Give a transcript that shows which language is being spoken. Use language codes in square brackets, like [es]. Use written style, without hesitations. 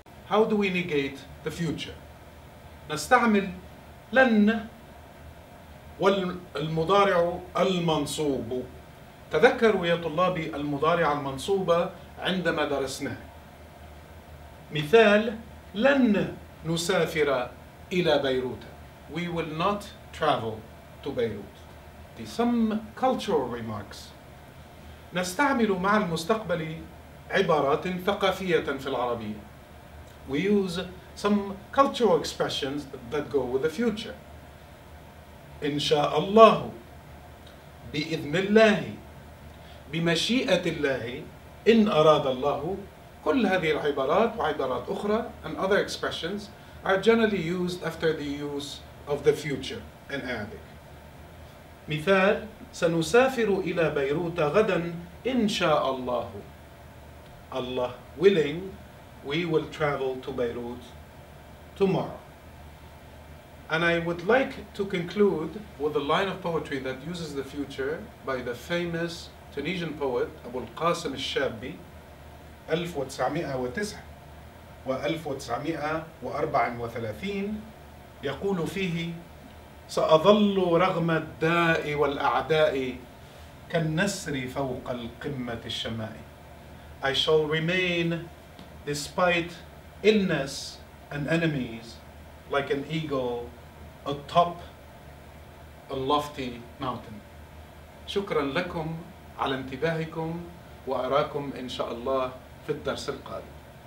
[en] How do we negate the future? [ar] نستعمل لن والمضارع المنصوب. تذكروا يا طلابي المضارع المنصوبة عندما درسناه. مثال لن نسافر إلى بيروت. [en] We will not travel to Beirut. Some cultural remarks. [ar] نستعمل مع المستقبل عبارات ثقافية في العربية. [en] We use some cultural expressions that go with the future. [ar] إن شاء الله بإذن الله بمشيئة الله إن أراد الله. كل هذه العبارات وعبارات أخرى [en] and other expressions are generally used after the use of the future in Arabic. [ar] مثال سنسافر إلى بيروت غدا إن شاء الله. [en] Allah willing, we will travel to Beirut tomorrow. And I would like to conclude with a line of poetry that uses the future by the famous Tunisian poet Abu al-Qasim al-Shabi, 1909 [ar] و1934 يقول فيه سأظل رغم الداء والأعداء كالنسر فوق القمة الشماء. [en] I shall remain despite illness and enemies like an eagle atop a lofty mountain. [ar] شكرا لكم على انتباهكم وأراكم إن شاء الله في الدرس القادم.